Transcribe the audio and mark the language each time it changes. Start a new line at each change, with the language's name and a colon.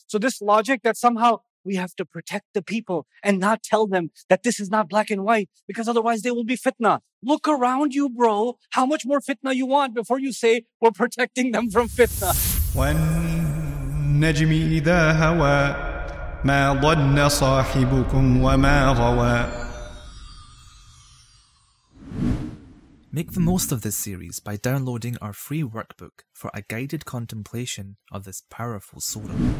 English: So this logic that somehow we have to protect the people and not tell them that this is not black and white, because otherwise there will be fitna. Look around you, bro. How much more fitna you want before you say we're protecting them from fitna?
Arabic: When نجم إذا هوى ما ضل صاحبكم وما غوى.
English: Make the most of this series by downloading our free workbook for a guided contemplation of this powerful surah.